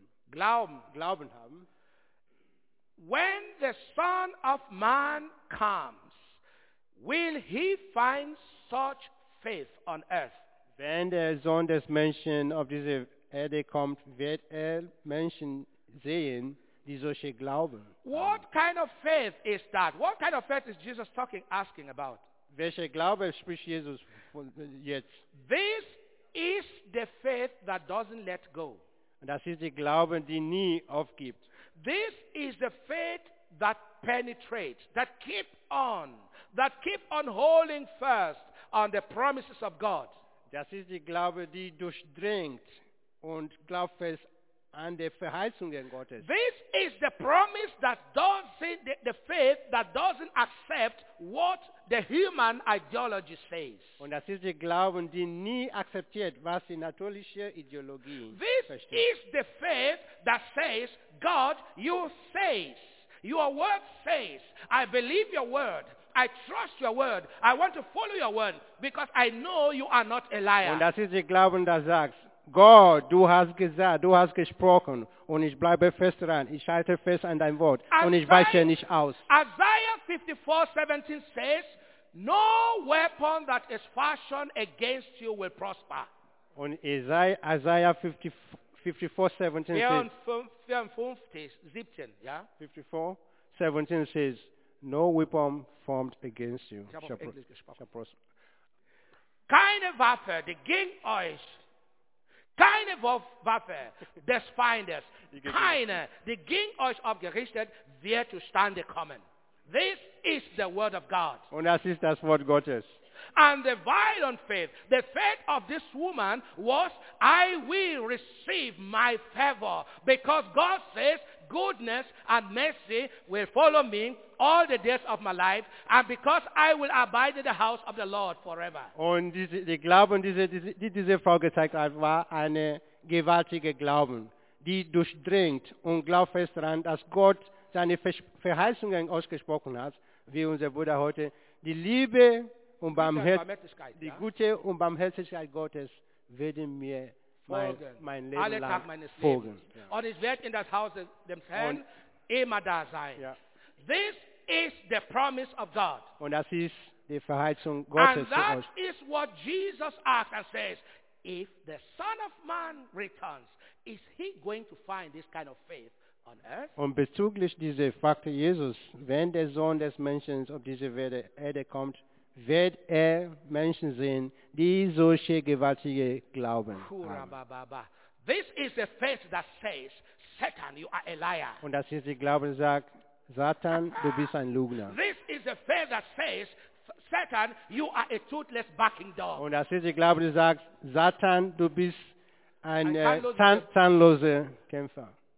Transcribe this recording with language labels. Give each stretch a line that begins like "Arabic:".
German: Glauben haben.
English: When the Son of Man comes, will he find such faith on earth?
German: Wenn der Sohn des Menschen auf diese Erde kommt, wird Menschen sehen, die solche Glauben haben.
English: What kind of faith is that? What kind of faith is Jesus asking about?
German: Welche Glaube spricht Jesus jetzt?
English: This is the faith that doesn't let go.
German: Das ist der Glauben, die nie aufgibt.
English: This is the faith that penetrates, that keep on holding first on the promises of God.
German: Das ist die Glaube, die durchdringt und glaubfest And der Verheißungen Gottes.
English: This is the promise that doesn't see the faith that doesn't accept what the human ideology says.
German: Und das ist der Glauben, der nie akzeptiert, was die natürliche Ideologie sagt.
English: This is the faith that says, God, you says, your word says, I believe your word. I trust your word. I want to follow your word because I know you are not a liar.
German: Und das ist der Glauben, der sagt, Gott, du hast gesagt, du hast gesprochen und ich bleibe fest dran. Ich halte fest an dein Wort und ich weiche nicht aus.
English: Isaiah 54:17 says, no weapon that is fashioned against you will prosper. Und Isaiah 54:17 says, no weapon formed against you shall prosper.
German: Keine Waffe, die gegen euch, keine Waffe des Feindes, keine, die gegen euch aufgerichtet, wird zustande kommen.
English: This is the word of God.
German: Und das ist das Wort Gottes.
English: And the violent faith, the faith of this woman was, I will receive my favor. Because God says, goodness and mercy will follow me all the days of my life. And because I will abide in the house of the Lord forever.
German: Und die Glauben, diese Frau gezeigt hat, war eine gewaltige Glauben, die durchdringt und glaubt fest daran, dass Gott seine Verheißungen ausgesprochen hat, wie unser Bruder heute, die Liebe und die Gute und Barmherzigkeit Gottes werden mir mein Leben alle lang meine folgen. Ja. Und ich werde in das Haus dem Herrn immer da sein. Ja.
English: This is the promise of God.
German: Und das ist die Verheißung Gottes.
English: And that is what Jesus asked and says, if the Son of Man returns, is he going to find this kind of faith on earth?
German: Und bezüglich dieser Frage, Jesus, wenn der Sohn des Menschen auf diese Erde kommt, wird Menschen sehen, die solche gewaltige Glauben haben.
English: This is the faith that says, Satan, you are a liar.
German: Und das ist der Glaube, der sagt, Satan, du bist ein Lügner.
English: This is the faith that says, Satan, you are a toothless barking dog.
German: Und das ist der Glaube, der sagt, Satan, du bist ein zahnloser Kämpfer.